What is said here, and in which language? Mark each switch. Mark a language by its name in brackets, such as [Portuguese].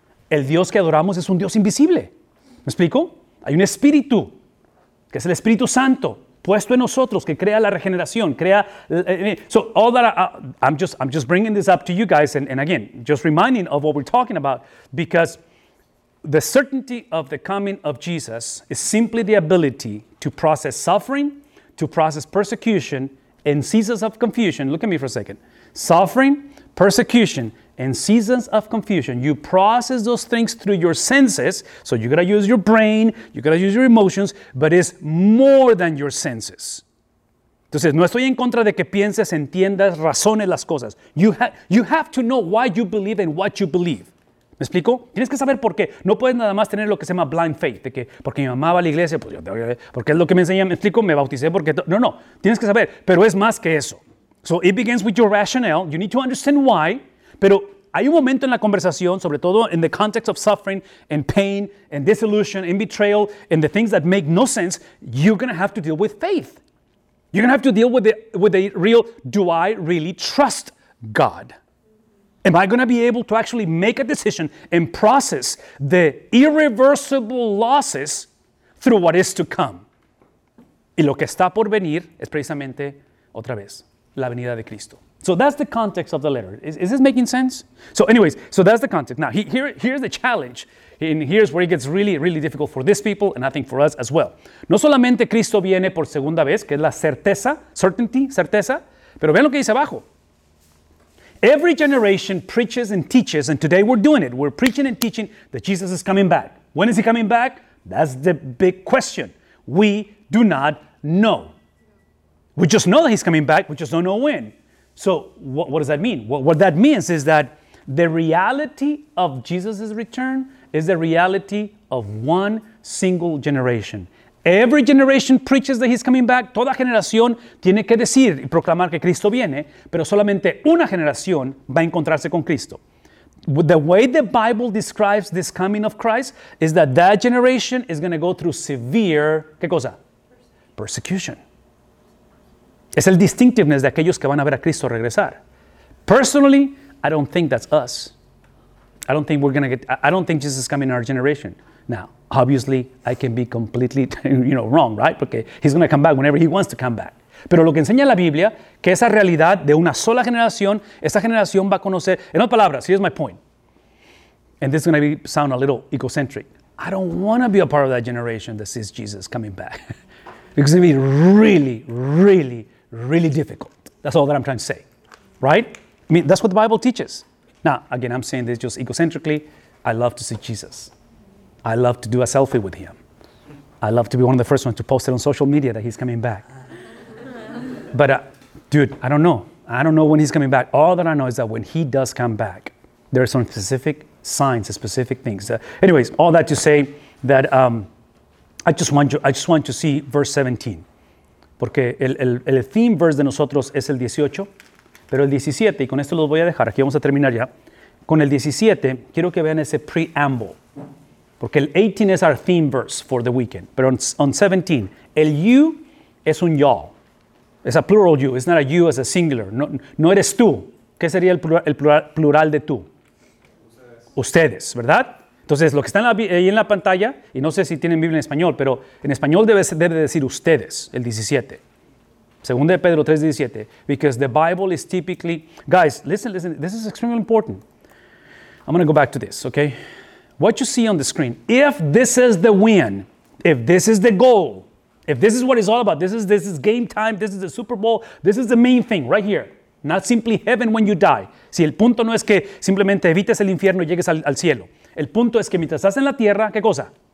[Spanish] El Dios que adoramos es un Dios invisible. ¿Me explico? Hay un espíritu, que es el Espíritu Santo, puesto en nosotros, que crea la regeneración, crea... [English] So, all that I'm just bringing this up to you guys, and again, just reminding of what we're talking about, because the certainty of the coming of Jesus is simply the ability to process suffering, to process persecution, and seasons of confusion. Look at me for a second. Suffering, persecution, and seasons of confusion. You process those things through your senses. So you got to use your brain. You got to use your emotions. But it's more than your senses. [Spanish] Entonces, no estoy en contra de que pienses, entiendas, razones las cosas. [English] You have to know why you believe and what you believe. [Spanish] ¿Me explico? Tienes que saber por qué. No puedes nada más tener lo que se llama blind faith. De que porque mi mamá va a la iglesia, pues yo, porque es lo que me enseñan. ¿Me explico? Me bauticé porque... No. Tienes que saber. Pero es más que eso. [English] So it begins with your rationale. You need to understand why. [Spanish] Pero hay un momento en la conversación, sobre todo [English] in the context of suffering and pain and disillusion and betrayal and the things that make no sense, you're going to have to deal with faith. You're going to have to deal with the real, do I really trust God? Am I going to be able to actually make a decision and process the irreversible losses through what is to come? [Spanish] Y lo que está por venir es precisamente, otra vez, la venida de Cristo. [English] So that's the context of the letter. Is this making sense? So that's the context. Now, here's the challenge. And here's where it gets really, really difficult for these people, and I think for us as well. [Spanish] No solamente Cristo viene por segunda vez, que es la certeza, certainty, certeza. Pero vean lo que dice abajo. [English] Every generation preaches and teaches, and today we're doing it. We're preaching and teaching that Jesus is coming back. When is he coming back? That's the big question. We do not know. We just know that he's coming back. We just don't know when. So what does that mean? What that means is that the reality of Jesus' return is the reality of one single generation. Every generation preaches that he's coming back. [Spanish] Toda generación tiene que decir y proclamar que Cristo viene, pero solamente una generación va a encontrarse con Cristo. [English] The way the Bible describes this coming of Christ is that that generation is going to go through severe, [Spanish] ¿qué cosa? [English] Persecution. [Spanish] Es el distinctiveness de aquellos que van a ver a Cristo regresar. [English] Personally, I don't think that's us. I don't think Jesus is coming in our generation. Now, obviously, I can be completely, wrong, right? Porque he's going to come back whenever he wants to come back. [Spanish] Pero lo que enseña la Biblia, que esa realidad de una sola generación, esa generación va a conocer, en otras palabras, [English] here's my point. And this is going to sound a little egocentric. I don't want to be a part of that generation that sees Jesus coming back. Because it's going to be really, really, really difficult. That's all that I'm trying to say, right? I mean, that's what the Bible teaches. Now, again, I'm saying this just egocentrically. I love to see Jesus. I love to do a selfie with him. I love to be one of the first ones to post it on social media that he's coming back. But, I don't know. I don't know when he's coming back. All that I know is that when he does come back, there are some specific signs, specific things. Anyways, all that to say that I just want to see verse 17. [Spanish] Porque el theme verse de nosotros es el 18. Pero el 17, y con esto los voy a dejar. Aquí vamos a terminar ya. Con el 17, quiero que vean ese preamble. Porque el 18 es [English] our theme verse for the weekend. Pero on 17, el you es un y'all. It's a plural you. It's not a you as a singular. [Spanish] No eres tú. ¿Qué sería el plural de tú? Ustedes, ¿verdad? Entonces, lo que está ahí en la pantalla, y no sé si tienen Biblia en español, pero en español debe decir ustedes, el 17. Segunda de Pedro [English] 3:17. Because the Bible is typically... Guys, listen. This is extremely important. I'm going to go back to this, okay? What you see on the screen, if this is the win, if this is the goal, If this is what it's all about, this is game time, this is the Super Bowl, this is the main thing right here. Not simply heaven when you die. [Spanish] Si el punto no es que simplemente evites el infierno y llegues al cielo. El punto es que mientras estás en la tierra, ¿qué cosa?